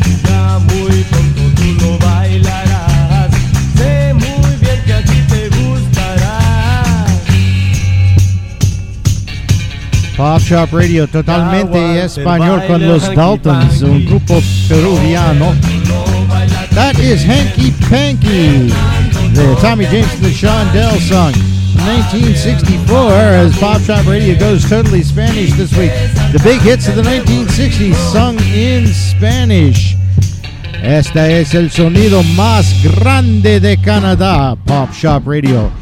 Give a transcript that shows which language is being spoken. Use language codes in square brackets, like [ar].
[es] Ya muy pronto tú lo bailarás. Sé muy bien que a ti te gustará. Pop Shop Radio, totalmente español con los Daltons, un grupo peruviano. [en] That is Hanky Panky, the Tommy James and the Shondell song, 1964, as Pop Shop Radio goes totally Spanish this week. The big hits of the 1960s sung in Spanish. [es] Este es el sonido más grande de Canadá, Pop Shop Radio.